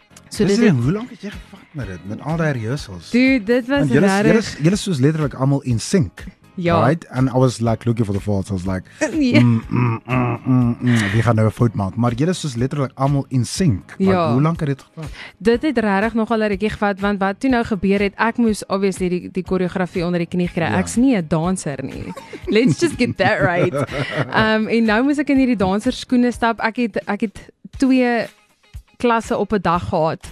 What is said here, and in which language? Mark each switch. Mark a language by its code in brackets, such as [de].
[af] So dit is ding, hoe lang het jy gevat met dit, met al die rehearsals? Dude, dit was regtig... Jy is soos letterlijk allemaal in sync. Ja. [en] Right? And I was like looking for the faults. I was like, [af] we gaan nou 'n fout maak. Maar jy is soos letterlik almal in sync. Like, ja. Hoe lank het dit gevat? Dit het regtig nogal 'n rukkie gevat, want wat toe nou gebeur het, ek moes obviously die choreografie onder die knie kry. Ja. Ek's nie 'n danser nie. [en] Let's just get that right. [af] En nou moes ek in hierdie danserskoene stap. Ek het twee klasse op 'n dag gehad.